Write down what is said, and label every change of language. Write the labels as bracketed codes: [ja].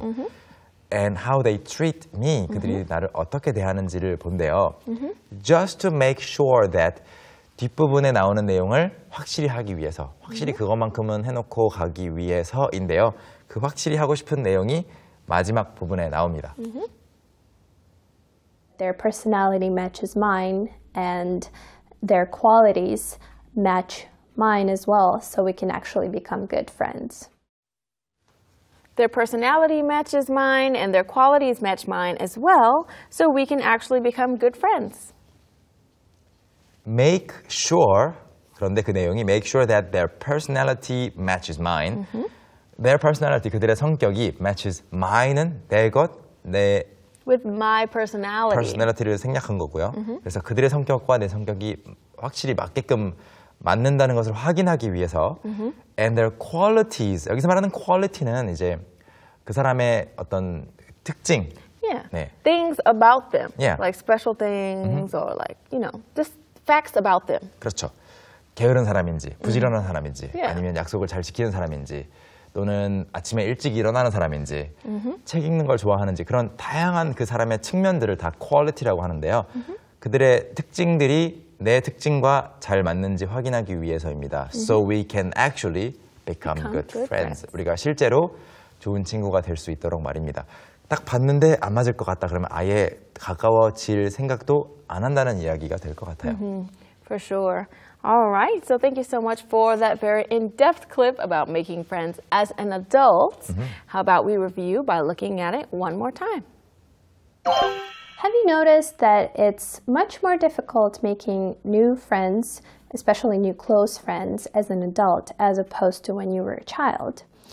[en] Mm-hmm. And how they treat me, [ko] 그들이 [en] mm-hmm. [ko] 나를 어떻게 대하는지를 본대요. Mm-hmm. [en] Just to make sure that [ko] 뒷부분에 나오는 내용을 확실히 하기 위해서, 확실히 mm-hmm. 그것만큼은 해놓고 가기 위해서인데요. 그 확실히 하고 싶은 내용이 마지막 부분에 나옵니다. Mm-hmm. [en] Their personality matches mine, and their qualities match mine as well, so we can actually become good friends. Their personality matches mine, and their qualities match mine as well, so we can actually become good friends. Make sure, [ko] 그런데 그 내용이 [en] make sure that their personality matches mine. Mm-hmm. Their personality, [ko] 그들의 성격이 [en] matches mine [ko] 은 내 것, 내 [en] With my personality. [ko] Personality를 생략한 거고요. Mm-hmm. 그래서 그들의 성격과 내 성격이 확실히 맞게끔 맞는다는 것을 확인하기 위해서 mm-hmm. [en] and their qualities [ko] 여기서 말하는 quality는 이제 그 사람의 어떤 특징 [en] yeah [ko] 네. [en] things about them yeah. like special things mm-hmm. or like you know just facts about them [ko] 그렇죠 게으른 사람인지 부지런한 mm-hmm. 사람인지 [en] yeah. [ko] 아니면 약속을 잘 지키는 사람인지 또는 아침에 일찍 일어나는 사람인지 mm-hmm. 책 읽는 걸 좋아하는지 그런 다양한 그 사람의 측면들을 다 quality라고 하는데요 mm-hmm. 그들의 특징들이 내 특징과 잘 맞는지 확인하기 위해서입니다. [en] Mm-hmm. So we can actually become good friends. [ko] 우리가 실제로 좋은 친구가 될 수 있도록 말입니다. 딱 봤는데 안 맞을 것 같다 그러면 아예 가까워질 생각도 안 한다는 이야기가 될 것 같아요. [en] Mm-hmm. For sure. All right. So thank you so much for that very in-depth clip about making friends as an adult. Mm-hmm. How about we review by looking at it one more time? Have you noticed that it's much more difficult making new friends, especially new close friends, as an adult as opposed to when you were a child?